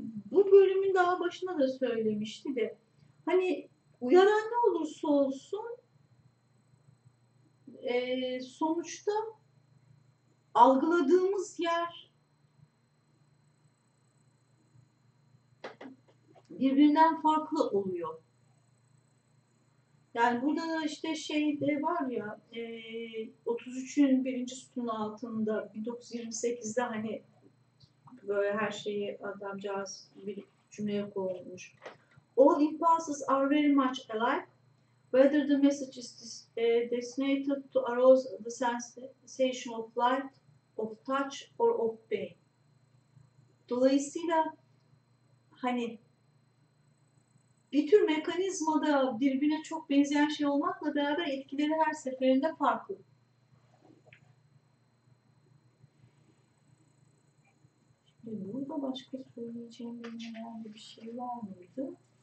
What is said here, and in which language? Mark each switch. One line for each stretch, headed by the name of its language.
Turkish: bu bölümün daha başına da söylemişti de, hani uyaran ne olursa olsun sonuçta algıladığımız yer birbirinden farklı oluyor. Yani burada da işte şey de var ya, 33'ün birinci sütunun altında 1928'de hani böyle her şeyi adamcağız bir cümleye koymuş.
English: All impulses are very much alike, whether the message is designated to arouse the sensation of light, of touch or of pain.
Turkish: Dolayısıyla hani bir tür mekanizmada birbirine çok benzeyen şey olmakla beraber etkileri her seferinde farklı. Şimdi burada başka söyleyeceğim herhangi bir şey var mıydı?